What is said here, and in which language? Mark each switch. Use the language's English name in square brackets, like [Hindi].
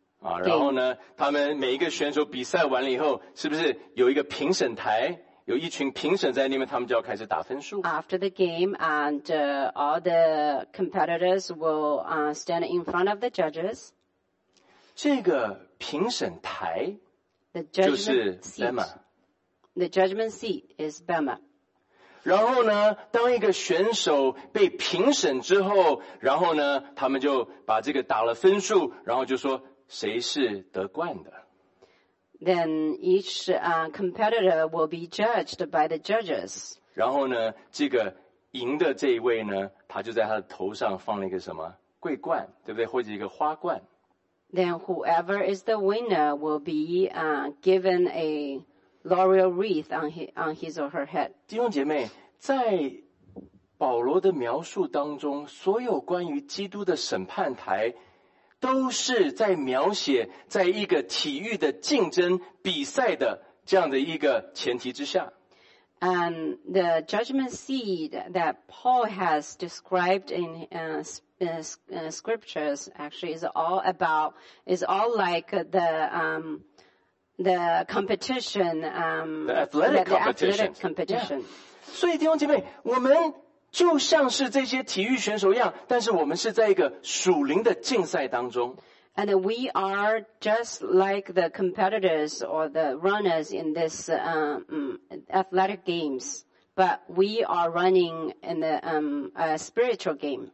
[Chinese] 然后呢，他们每一个选手比赛完了以后，是不是有一个评审台？有一群评审在那边，他们就要开始打分数。 [English] After the game, and all the competitors will stand in front of the judges. [Chinese] 这个评审台 [English] ，the judgment [Chinese] 就是 Bema. [English] The judgment seat is Bema. [Chinese] 然后呢，当一个选手被评审之后，然后呢，他们就把这个打了分数，然后就说谁是得冠的。 [English] Then each competitor will be judged by the judges. [Chinese] 然后呢，这个赢的这一位呢，他就在他的头上放了一个什么桂冠，对不对？或者一个花冠。 [English] Then whoever is the winner will be given a laurel wreath on his or her head. [Chinese] 弟兄姐妹，在保罗的描述当中，所有关于基督的审判台都是在描写在一个体育的竞争比赛的这样的一个前提之下。 [English] And the judgment seat that Paul has described in scriptures actually is all like the competition, the athletic competition. Yeah. [Chinese] 所以弟兄姐妹，我们就像是这些体育选手一样，但是我们是在一个属灵的竞赛当中。 [English] And we are just like the competitors or the runners in this athletic games, but we are running in the spiritual game.